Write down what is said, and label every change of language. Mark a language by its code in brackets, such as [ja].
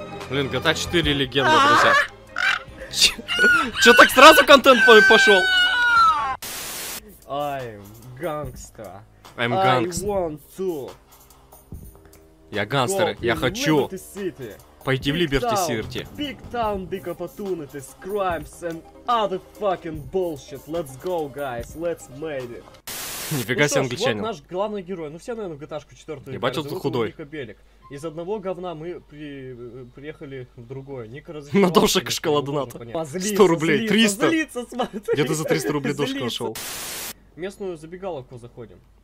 [ru] Блин, GTA 4 легенда, друзья. Чё так сразу контент пошёл? [en] I'm gangster. I want to. [ru] Я гангстер, я хочу. Пойти в Liberty City. [en] Big town, big opportunities, crimes and other fucking bullshit. Let's go, guys, let's make it. [ru] Нифига себе англичанин. Вот наш главный герой. Ну все, наверное, в GTA 4 играли. Ебать, он худой. Из одного говна мы приехали в другое. Ника развивался. На дошек шкала доната. 100 рублей. 300. Позлиться, смотри. Где ты за 300 рублей дошка нашел? Местную забегаловку заходим.